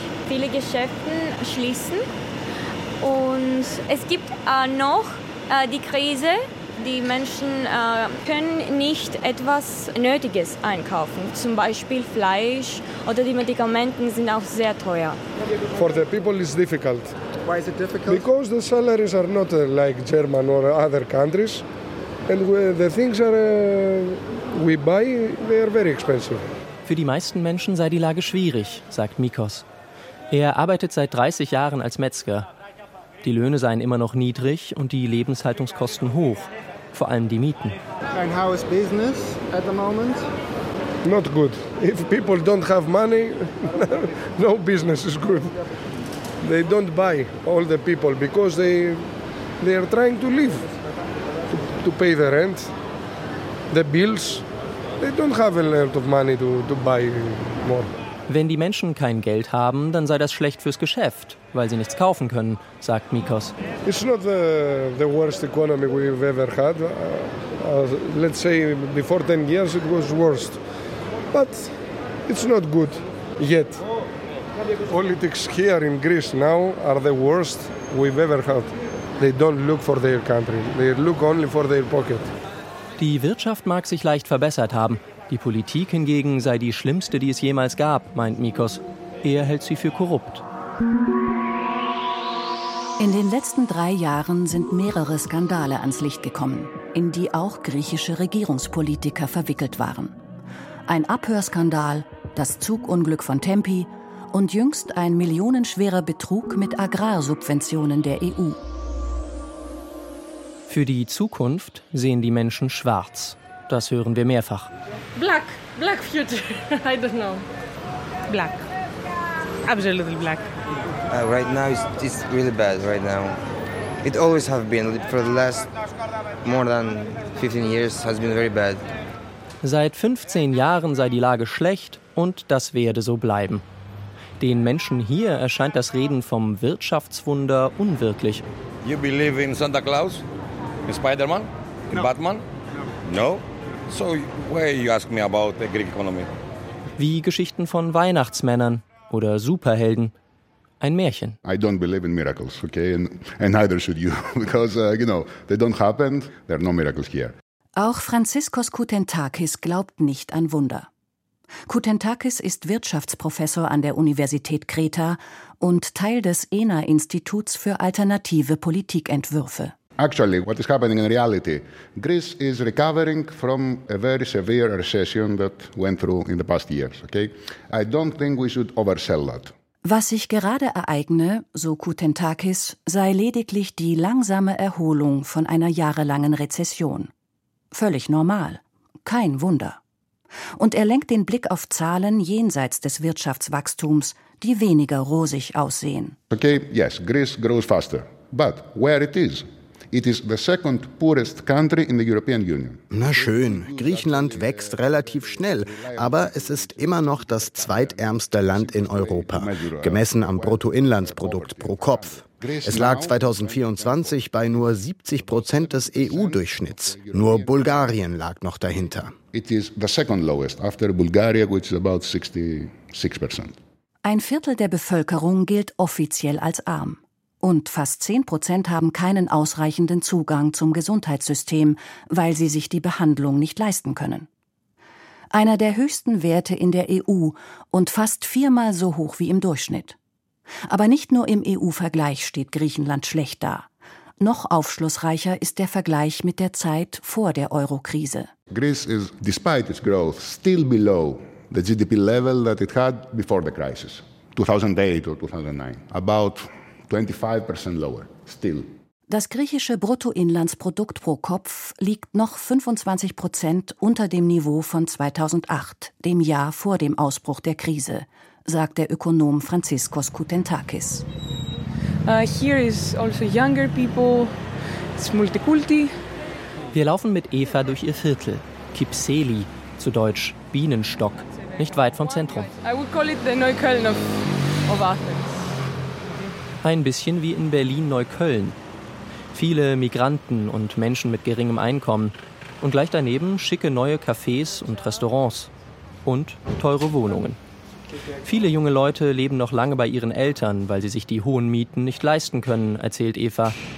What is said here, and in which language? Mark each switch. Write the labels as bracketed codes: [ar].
[de] Viele Geschäfte schließen. Und es gibt noch die Krise. Die Menschen können nicht etwas Nötiges einkaufen, zum Beispiel Fleisch oder die Medikamente sind auch sehr teuer. [en] For the people it's difficult. Why is it difficult? Because the salaries are not like German or other countries, and the things are we buy, they are very expensive. [de] Für die meisten Menschen sei die Lage schwierig, sagt Mikos. Er arbeitet seit 30 Jahren als Metzger. Die Löhne seien immer noch niedrig und die Lebenshaltungskosten hoch, vor allem die Mieten. [en] And how is business at the moment? Not good. If people don't have money, no business is good. They don't buy all the people because they are trying to live, to pay the rent, the bills. They don't have a lot of money to buy more. [de] Wenn die Menschen kein Geld haben, dann sei das schlecht fürs Geschäft, weil sie nichts kaufen können, sagt Mikos. [en] It's not the worst economy we've ever had. Let's say before 10 years it was worst. But it's not good yet. Politics here in Greece now are the worst we've ever had. They don't look for their country. They look only for their pocket. [de] Die Wirtschaft mag sich leicht verbessert haben. Die Politik hingegen sei die schlimmste, die es jemals gab, meint Mikos. Er hält sie für korrupt. In den letzten 3 Jahren sind mehrere Skandale ans Licht gekommen, in die auch griechische Regierungspolitiker verwickelt waren. Ein Abhörskandal, das Zugunglück von Tempi und jüngst ein millionenschwerer Betrug mit Agrarsubventionen der EU. Für die Zukunft sehen die Menschen schwarz. Das hören wir mehrfach. [en] Black, Black future. I don't know. Black. Absolutely black. Right now, it's really bad right now. It always have been. For the last more than 15 years, has been very bad. [de] Seit 15 Jahren sei die Lage schlecht und das werde so bleiben. Den Menschen hier erscheint das Reden vom Wirtschaftswunder unwirklich. [en] You believe in Santa Claus? In Spider-Man? In no. Batman? No. No? So why you ask me about the Greek economy? [de] Wie Geschichten von Weihnachtsmännern oder Superhelden. Ein Märchen. [en] I don't believe in miracles, okay? And neither should you, because, you know, they don't happen. There are no miracles here. [de] Auch Franziskos Koutentakis glaubt nicht an Wunder. Koutentakis ist Wirtschaftsprofessor an der Universität Kreta und Teil des ENA-Instituts für alternative Politikentwürfe. [en] Actually, what is happening in reality? Greece is recovering from a very severe recession that went through in the past years, okay? I don't think we should oversell that. [de] Was sich gerade ereigne, so Koutentakis, sei lediglich die langsame Erholung von einer jahrelangen Rezession. Völlig normal. Kein Wunder. Und er lenkt den Blick auf Zahlen jenseits des Wirtschaftswachstums, die weniger rosig aussehen. [en] Okay, yes, Greece grows faster. But where it is? It is the second poorest country in the European Union. [de] Na schön, Griechenland wächst relativ schnell, aber es ist immer noch das zweitärmste Land in Europa, gemessen am Bruttoinlandsprodukt pro Kopf. Es lag 2024 bei nur 70% des EU-Durchschnitts. Nur Bulgarien lag noch dahinter. [en] It is the second lowest after Bulgaria, which is about 66%. [de] Ein Viertel der Bevölkerung gilt offiziell als arm. Und fast 10% haben keinen ausreichenden Zugang zum Gesundheitssystem, weil sie sich die Behandlung nicht leisten können. Einer der höchsten Werte in der EU und fast viermal so hoch wie im Durchschnitt. Aber nicht nur im EU-Vergleich steht Griechenland schlecht da. Noch aufschlussreicher ist der Vergleich mit der Zeit vor der Euro-Krise. [en] Greece is, despite its growth, still below the GDP level that it had before the crisis, 2008 or 2009, about 25% lower, still. [de] Das griechische Bruttoinlandsprodukt pro Kopf liegt noch 25% unter dem Niveau von 2008, dem Jahr vor dem Ausbruch der Krise, sagt der Ökonom Franziskos Koutentakis. [en] Here is also younger people. It's multikulti. [de] Wir laufen mit Eva durch ihr Viertel, Kipseli, zu Deutsch Bienenstock, nicht weit vom Zentrum. [en] I would call it the Neukölln of Athens. [de] Ein bisschen wie in Berlin-Neukölln. Viele Migranten und Menschen mit geringem Einkommen. Und gleich daneben schicke neue Cafés und Restaurants. Und teure Wohnungen. Viele junge Leute leben noch lange bei ihren Eltern, weil sie sich die hohen Mieten nicht leisten können, erzählt Eva.